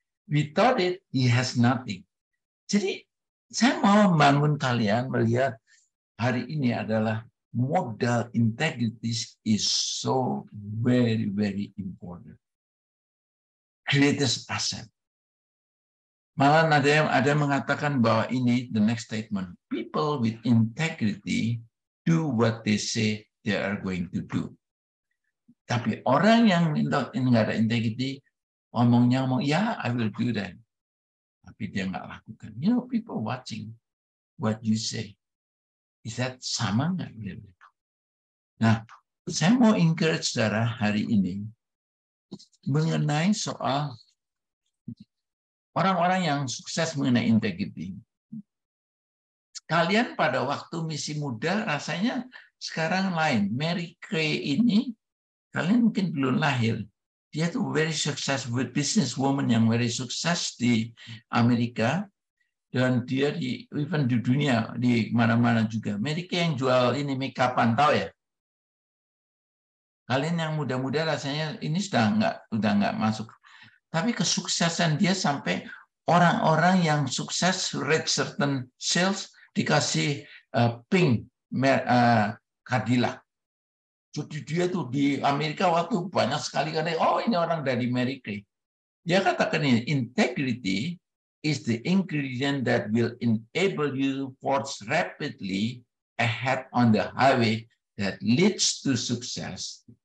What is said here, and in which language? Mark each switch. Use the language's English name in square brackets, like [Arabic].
[English] Without it, he has nothing. [Indonesian] Jadi saya mau bangun kalian melihat hari ini adalah modal [English] integrity is so very, very important. Greatest asset. [Indonesian] Malah ada yang mengatakan bahwa ini [English] the next statement. People with integrity do what they say they are going to do. [Indonesian] Tapi orang yang tidak ada integrity, omongnya omong, ya, [English] yeah, I will do that. [Indonesian] Tapi dia nggak lakukan. [English] You know, people watching what you say. Is that [Indonesian] sama nggak? Nah, saya mau encourage saudara hari ini mengenai soal orang-orang yang sukses mengenai integrity. Kalian pada waktu misi muda rasanya sekarang lain. Mary Kay ini, kalian mungkin belum lahir. Dia tuh [English] very successful business woman [Indonesian] yang very sukses di Amerika. Dan dia di even di dunia, di mana-mana juga. Mary Kay yang jual ini makeup-an, tahu ya? Kalian yang muda-muda rasanya ini sudah enggak masuk. Tapi kesuksesan dia sampai orang-orang yang sukses [English] rate certain sales [Indonesian] dikasih pink Cadillac. Jadi dia tuh di Amerika waktu banyak sekali karena oh ini orang dari Mary Kay. Dia katakan ini [English] integrity is the ingredient that will enable you to forge rapidly ahead on the highway that leads to success.